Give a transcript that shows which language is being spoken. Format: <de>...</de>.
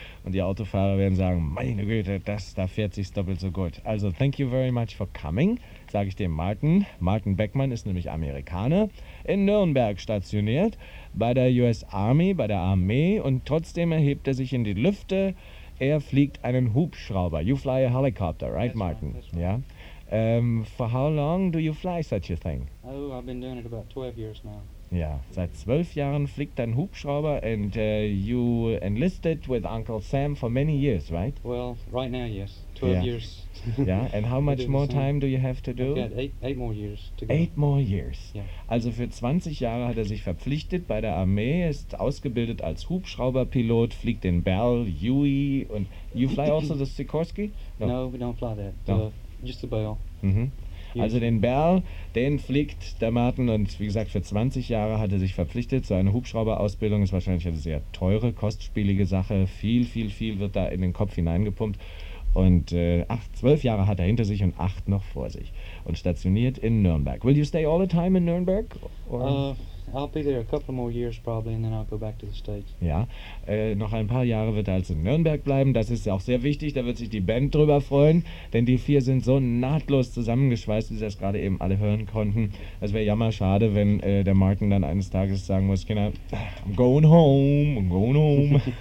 <de>Und die Autofahrer werden sagen, meine Güte, da fährt sich's doppelt so gut. Also,</de> <en>thank you very much for coming,</en> <de>sage ich dem Martin. Martin Beckmann ist nämlich Amerikaner, in Nürnberg stationiert, bei der US Army, bei der Armee. Und trotzdem erhebt er sich in die Lüfte. Er fliegt einen Hubschrauber.</de> <en>You fly a helicopter, right, Martin?</en> <de>Ja.</de> <en>For how long do you fly such a thing? Oh, I've been doing it about 12 years now. Yeah,</en> <de>seit 12 Jahren fliegt ein Hubschrauber,</de> <en>and you enlisted with Uncle Sam for many years, right? Well, right now, yes. 12 yeah. years. Yeah, and how much more time do you have to do? I've got eight more years to go. 8 more years. Yeah.</en> <de>Also für 20 Jahre hat er sich verpflichtet bei der Armee, ist ausgebildet als Hubschrauberpilot, fliegt in Bell, Huey,</de> <en>and you fly also the Sikorsky? No, we don't fly that. No. Just the bell. Mm-hmm.</en> <de>Also den Bell, den fliegt der Martin und wie gesagt, für 20 Jahre hat er sich verpflichtet zu einer Hubschrauberausbildung. Ist wahrscheinlich eine sehr teure, kostspielige Sache. Viel, viel, viel wird da in den Kopf hineingepumpt. Und 12 Jahre hat er hinter sich und 8 noch vor sich. Und stationiert in Nürnberg.</de> <en>Will you stay all the time in Nürnberg? I'll be there a couple more years probably and then I'll go back to the States.</en> <de>Ja, noch ein paar Jahre wird er also in Nürnberg bleiben. Das ist auch sehr wichtig, da wird sich die Band drüber freuen. Denn die vier sind so nahtlos zusammengeschweißt, wie sie das gerade eben alle hören konnten. Es wäre jammer schade, wenn der Martin dann eines Tages sagen muss, Kinder,</de> <en>I'm going home.</en>